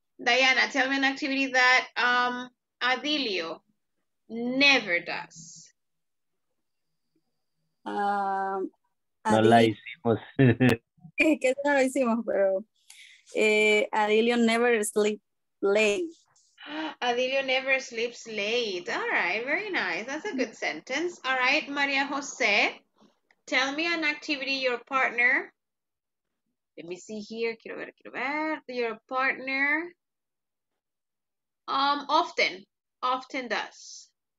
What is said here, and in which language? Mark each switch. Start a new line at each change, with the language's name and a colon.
English: Diana, tell me an activity that Adilio never does.
Spanish: No la hicimos. ¿Qué no la hicimos, pero Adilio
English: never sleeps late. Adilio never sleeps late. All right, very nice. That's a good sentence. All right, Maria Jose, tell me an activity your partner. Let me see here.
Spanish: Quiero ver.
English: Your partner. Often does.